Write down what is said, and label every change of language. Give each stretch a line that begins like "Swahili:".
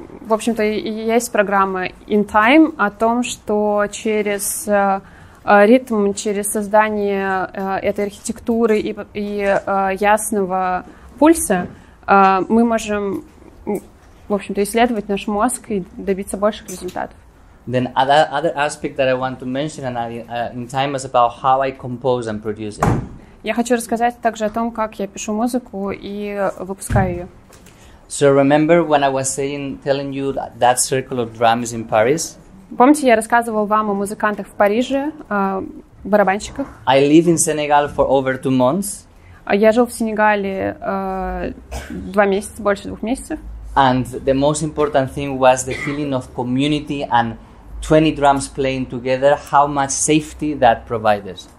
Russian: в общем-то, и есть программа In Time о том, что через ритм, через создание этой архитектуры и ясного пульса мы можем, в общем-то, исследовать наш мозг и добиться больших результатов.
English: Then other aspect that I want to mention in time is about how I compose and produce it.
Russian: Я хочу рассказать также о том, как я пишу музыку и выпускаю ее.
English: So remember when I was telling you that circle of drums in Paris?
Russian: Помните, я рассказывал вам о музыкантах в Париже, барабанщиках?
English: I live in Senegal for over 2 months.
Russian: Я жил в Сенегале 2 месяца, больше 2 месяцев.
English: And the most important thing was the feeling of community and 20 drums playing together, how much safety that provided.